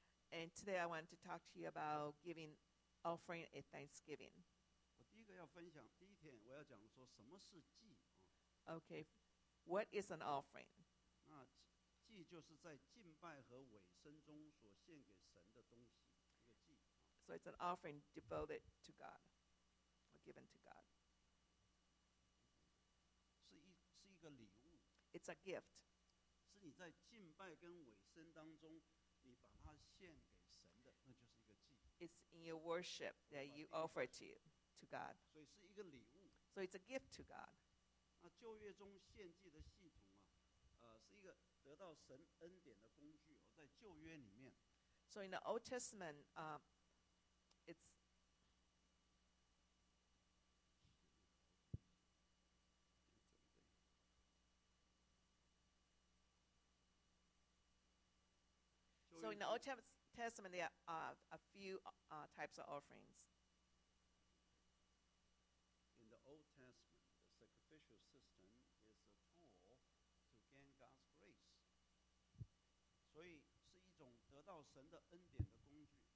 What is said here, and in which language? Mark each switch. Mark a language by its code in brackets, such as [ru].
[en] And today I want to talk to you about giving, offering a thanksgiving. [zh] 我第一个要分享, 第一天我要讲说什么是祭, [en] Okay, what is an offering? [zh] 那祭就是在敬拜和委身中所献给神的东西, 一个祭, [en] So it's an offering devoted to God, or given to God. [zh] 是一个礼物, [en] it's a gift. [zh] 是你在敬拜跟委身当中, 你把它献给神的,那就是一个祭, [en] it's in your worship that you offer it to God. [zh] 所以是一个礼物, [en] so it's a gift to God. [zh] 那旧约中献祭的系统啊, 是一个得到神恩典的工具, 在旧约里面, [en] so in the Old Testament, it's So in the Old Testament, there are a few types of offerings. In the Old Testament, the sacrificial system is a tool to gain God's grace. [zh] 所以是一种得到神的恩典的工具。